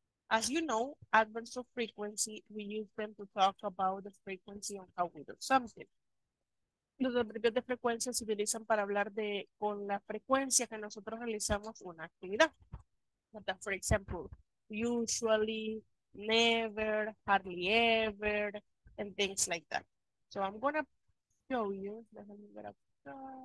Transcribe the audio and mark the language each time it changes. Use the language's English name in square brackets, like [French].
[English] As you know, adverbs of frequency, we use them to talk about the frequency and how we do something. [Spanish] Los adverbios de frecuencia se utilizan para hablar de con la frecuencia que nosotros realizamos una actividad. [English] For example, usually, never, hardly ever, and things like that. So I'm gonna show you. [Spanish] Déjame ver acá.